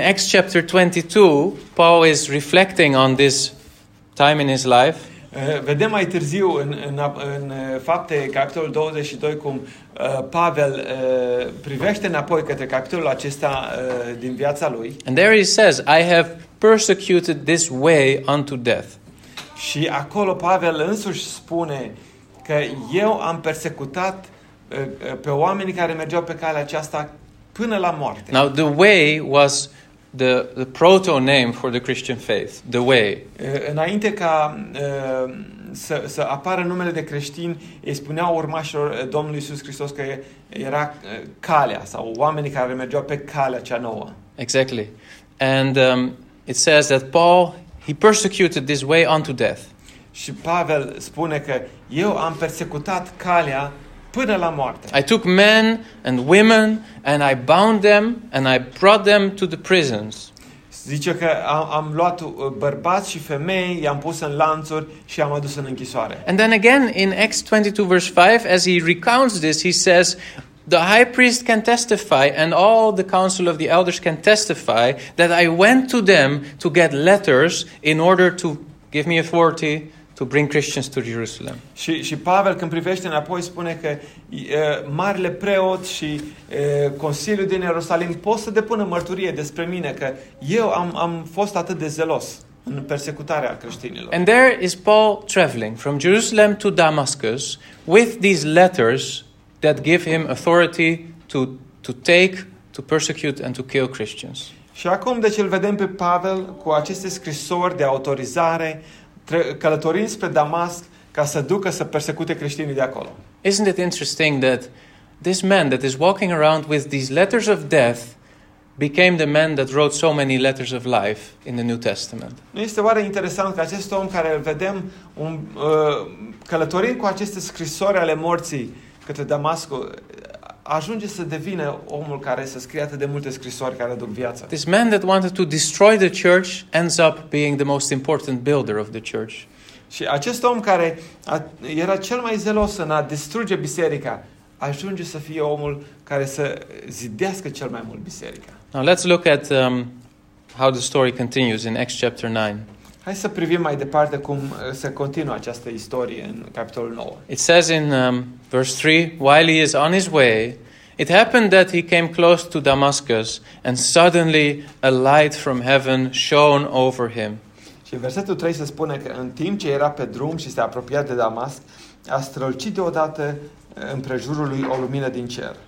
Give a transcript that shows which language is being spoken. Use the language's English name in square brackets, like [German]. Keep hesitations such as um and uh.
[English] Acts chapter 22, Paul is reflecting on this time in his life. [Romanian] Uh, vedem mai târziu în, în, în fapte capitolul 22 cum uh, Pavel uh, privește înapoi către capitolul acesta din viața lui. [English] And there he says, I have persecuted this way unto death. [Romanian] Și acolo Pavel însuși spune că eu am persecutat pe oamenii care mergeau pe calea aceasta până la moarte. [English] Now the way was uh, the, the proto name for the Christian faith, the way. [Romanian] Înainte ca uh, să, să apară numele de creștin, îi spuneau urmașilor Domnului Iisus Hristos că e, era uh, calea sau oamenii care mergeau pe calea cea nouă. [English] Exactly. And um, it says that Paul, he persecuted this way unto death. [Romanian] Și Pavel spune că eu am persecutat calea [English] I took men and women and I bound them and I brought them to the prisons. [Romanian] Zice că am, am bărbați și femei, i-am pus în lanțuri și în [English] And then again in Acts 22 verse 5 as he recounts this he says The high priest can testify, and all the council of the elders can testify, that I went to them to get letters in order to give me authority to bring Christians to Jerusalem. [Romanian] Și, și Pavel când privește înapoi spune că uh, marile preot și uh, Consiliul din Ierusalim pot să depună mărturie despre mine că eu am, am fost atât de zelos în persecutarea creștinilor. [English] And there is Paul traveling from Jerusalem to Damascus with these letters that give him authority to, to take, to persecute and to kill Christians. [Romanian] Și acum deci îl vedem pe Pavel cu aceste scrisori de autorizare călătorind spre Damasc ca să ducă să persecute creștinii de acolo. [English] Isn't it interesting that this man that is walking around with these letters of death became the man that wrote so many letters of life in the New Testament? [Romanian] Nu este oare interesant că acest om care îl vedem un, uh, călătorind cu aceste scrisori ale morții către Damascu, ajunge să devină omul care să scrie atât de multe scrisori care aduc viață. [English] This man that wanted to destroy the church ends up being the most important builder of the church. [Romanian] Și acest om care a, era cel mai zelos în a distruge biserica ajunge să fie omul care să zidească cel mai mult biserica. [English] Now let's look at um, how the story continues in Acts chapter 9. [Romanian] Hai să privim mai departe cum se continuă această istorie în capitolul 9. [English] It says in um, Verse 3 While he is on his way, it happened that he came close to Damascus, and suddenly a light from heaven shone over him. [Romanian] Și în versetul 3 se spune că în timp ce era pe drum și se apropia de Damasc, a strălucit deodată în prejurul lui o lumină din cer.